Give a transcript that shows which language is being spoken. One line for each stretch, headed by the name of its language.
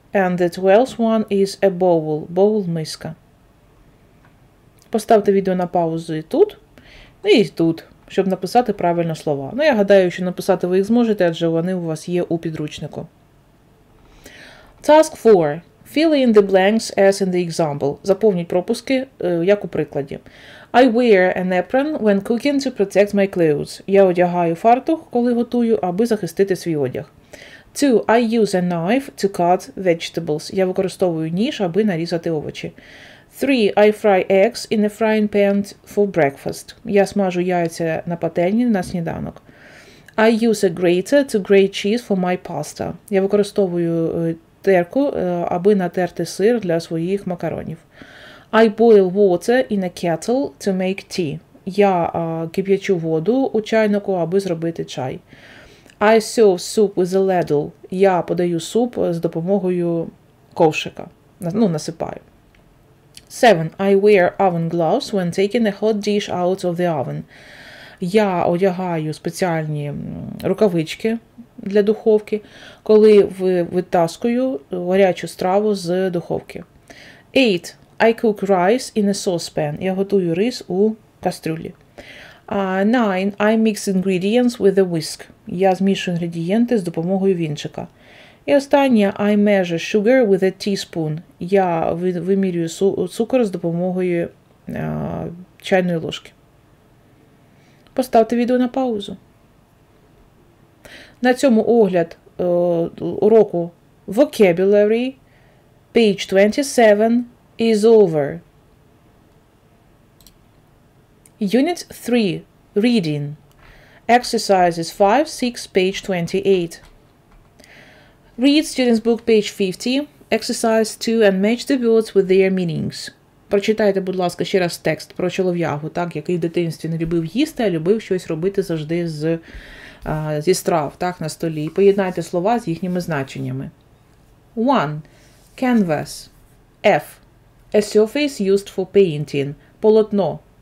English: And the 12th one is a bowl – bowl – миска.
Ukrainian: Поставте відео на паузу і тут, і тут, щоб написати правильно слова. Ну, я гадаю, що написати ви їх зможете, адже вони у вас є у підручнику.
English: Task 4 – fill in the blanks as in the example.
Ukrainian: Заповніть пропуски, як у прикладі.
English: I wear an apron when cooking to protect my clothes.
Ukrainian: Я одягаю фартух, коли готую, аби захистити свій одяг.
English: Two. I use a knife to cut vegetables.
Ukrainian: Я використовую ніж, аби нарізати овочі.
English: Three. I fry eggs in a frying pan for breakfast.
Ukrainian: Я смажу яйця на пательні на сніданок.
English: I use a grater to grate cheese for my pasta.
Ukrainian: Я використовую терку, аби натерти сир для своїх макаронів.
English: I boil water in a kettle to make tea.
Ukrainian: Я кип'ячу воду у чайнику, аби зробити чай.
English: I serve soup with a ladle.
Ukrainian: Я подаю суп з допомогою ковшика. Ну, насипаю. 7.
English: I wear oven gloves when taking a hot dish out of the oven.
Ukrainian: Я одягаю спеціальні рукавички для духовки, коли витаскую гарячу страву з духовки.
English: 8. I cook rice in a saucepan.
Ukrainian: Я готую рис у кастрюлі.
English: 9. I mix ingredients with a whisk.
Ukrainian: Я змішую інгредієнти з допомогою вінчика. І останнє.
English: I measure sugar with a teaspoon.
Ukrainian: Я вимірюю цукор з допомогою чайної ложки. Поставте відео на паузу. На цьому огляд уроку
English: vocabulary, page 27, is over. Unit 3. Reading. Exercises 5, 6, page 28. Read student's book, page 50. Exercise 2 and match the words with their meanings.
Ukrainian: Прочитайте, будь ласка, ще раз текст про чолов'ягу, так, який в дитинстві не любив їсти, а любив щось робити завжди зі страв, так, на столі. І поєднайте слова з їхніми значеннями. 1. Canvas. F.
English: A surface used for painting. Полотно.